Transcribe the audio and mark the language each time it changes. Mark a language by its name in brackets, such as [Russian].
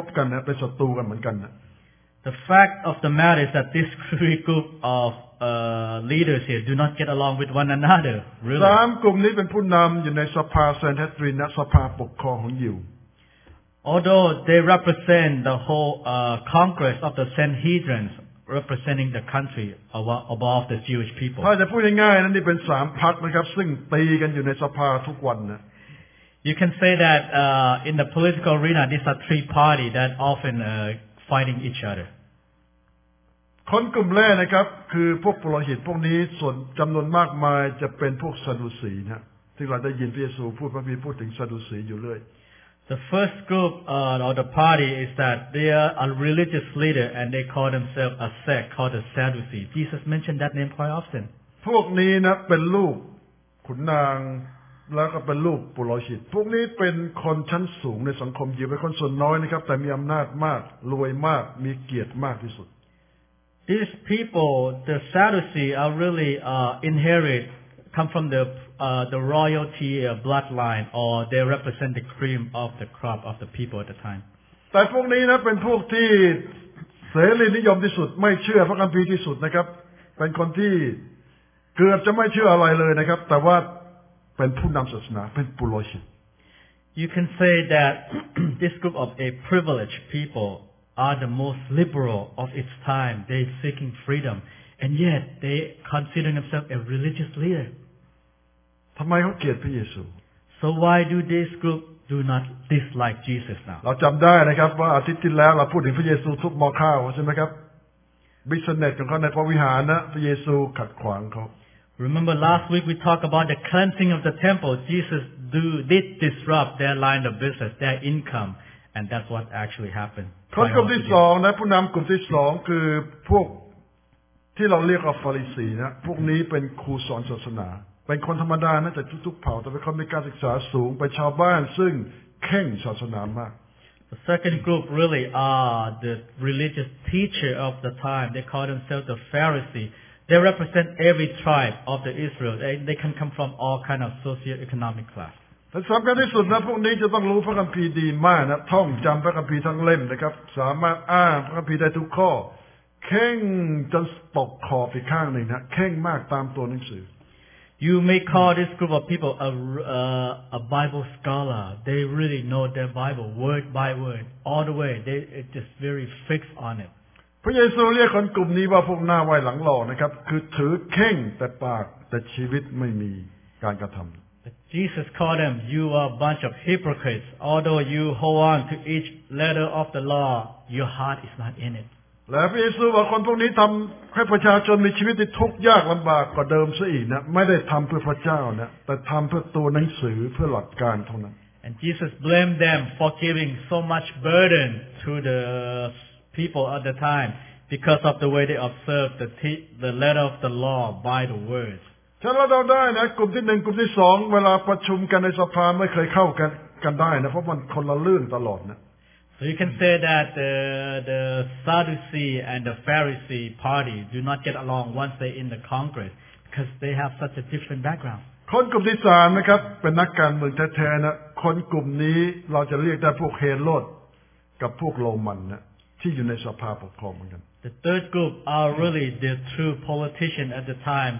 [English] The fact of the matter is that these three group of leaders here do not get along with one another, really. [Thai] สามกลุ่มนี้เป็นผู้นำอยู่ในสภาเซนเฮดรินและสภาปกครองของยิว [English] Although they represent the whole congress of the Sanhedrin representing the country above the Jewish people. [Thai] ถ้าจะพูดง่ายๆนั้นนี่เป็น3พรรคนะครับซึ่งตีกันอยู่ในสภาทุกวันนะ [English] You can say that in the political arena these are three parties that often fighting each other. [Thai] คนกลุ่มแรกนะครับคือพวกปุโรหิตพวกนี้ส่วนจำนวนมากมายจะเป็นพวกซาดูซีนะที่เราได้ยินพระเยซูพูดพระบีพูดถึงซาดูซีอยู่เรื่อย [English] The first group or the party is that they are a religious leader and they call themselves a sect called the Sadducees. Jesus mentioned that name quite often. [Thai] พวกนี้นะเป็นลูกขุนนางแล้วก็เป็นลูกปุโรหิตพวกนี้เป็นคนชั้นสูงในสังคมยิวเป็นคนส่วนน้อยนะครับแต่มีอำนาจมากรวยมากมีเกียรติมากที่สุด [English] These people, the Sadducees, are really inherit come from the royalty bloodline or they represent the cream of the crop of the people at the time [Thai] แต่พวกนี้นะเป็นพวกที่เสรีนิยมที่สุดไม่เชื่อพระคัมภีร์ที่สุดนะครับเป็นคนที่เกือบจะไม่เชื่ออะไรเลยนะครับแต่ว่าเป็นผู้นำศาสนาเป็นปุโรหิต [English] You can say that this group of a privileged people are the most liberal of its time they seeking freedomAnd yet, they consider themselves a religious leader. [Thai] ทำไมเขาเกลียดพระเยซู [English] So why do this group do not dislike Jesus now? [Thai] เราจำได้นะครับว่าอาทิตย์ที่แล้วเราพูดถึงพระเยซูทุบหม้อข้าวใช่ไหมครับ Business ของเขาในพระวิหารนะพระเยซูขัดขวางเขา [English] Remember last week we talked about the cleansing of the temple. Jesus did disrupt their line of business, their income, and that's what actually happened. [Thai] คนกลุ่มที่สองนะผู้นำกลุ่มที่สองคือพวกที่เราเรียกว่าฟาริสีนะพวกนี้เป็นครูสอนศาสนาเป็นคนธรรมดานะแต่ทุกๆเผ่าแต่เป็นคนมีการศึกษาสูงเป็นชาวบ้านซึ่งเข่งศาสนามาก [English] The second group really are the religious teacher of the time. They call themselves the Pharisee. They represent every tribe of the Israel. They can come from all kind of socio-economic class. [Thai] และสำคัญที่สุดนะพวกนี้จะต้องรู้พระคัมภีร์ดีมากนะท่องจำพระคัมภีร์ทั้งเล่มนะครับสามารถอ้างพระคัมภีร์ได้ทุกข้อเข่งจนตกคออีกข้างหนึ่งนะเข่งมากตามตัวหนังสือ [English] You may call this group of people a Bible scholar. They really know their Bible word by word all the way. They just very fixed on it. [Thai] พระเยซูเรียกคนกลุ่มนี้ว่าพวกหน้าไหวหลังหล่อนะครับคือถือเข่งแต่ปากแต่ชีวิตไม่มีการกระทำ [English] Jesus called them, "You are a bunch of hypocrites. Although you hold on to each letter of the law, your heart is not in it." [Thai] และพระเยซูบอกคนพวกนี้ทำให้ประชาชนมีชีวิตที่ทุกข์ยากลำบากกว่าเดิมซะอีกนะไม่ได้ทำเพื่อพระเจ้านะแต่ทำเพื่อตัวหนังสือเพื่อหลักการเท่านั้น [English] And Jesus blamed them for giving so much burden to the people at the time because of the way they observed the letter of the law by the words [Thai] ฉะนั้นเราได้นะกลุ่มที่หนึ่งกลุ่มที่สองเวลาประชุมกันในสภาไม่เคยเข้ากันได้นะเพราะมันคนละเรื่องตลอดนะ [English] So you can say that the Sadducee and the Pharisee party do not get along once they're in the Congress because they have such a different background. [Thai] คนกลุ่มที่สามนะครับเป็นนักการเมืองแท้ๆนะคนกลุ่มนี้เราจะเรียกได้พวกเฮโรดกับพวกโรมันนะที่อยู่ในสภาปกครองเหมือนกัน [English] The third group are really the true politicians at the time.